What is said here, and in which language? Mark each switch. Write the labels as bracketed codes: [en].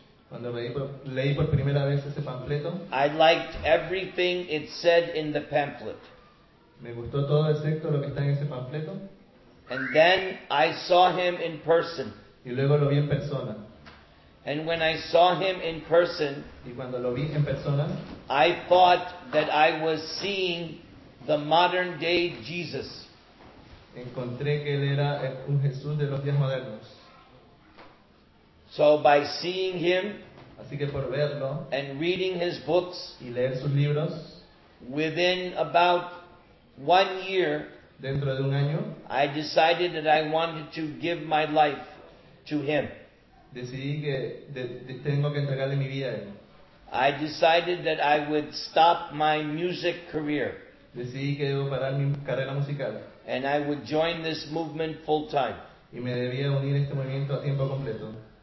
[es] cuando leí por primera vez ese panfleto, [en] I liked everything it said in the pamphlet. [es] Me gustó todo excepto lo que está en ese panfleto. [en] And then I saw him in person. [es] Y luego lo vi en persona. [en] And when I saw him in person, [es] y cuando lo vi en persona, [en] I thought that I was seeing the modern day Jesus. [es] Encontré que él era un Jesús de los días modernos. [en] So by seeing him, [es] así que por verlo, [en] and reading his books, [es] y leer sus libros, [en] within about 1 year, [es] dentro de un año, [en] I decided that I wanted to give my life to him. [es] Decidí que tengo que entregarle mi vida a él. [en] I decided that I would stop my music career. [es] Decidí que debo parar mi carrera musical. [en] And I would join this movement full time. [es] Y me debía unir este movimiento a tiempo completo.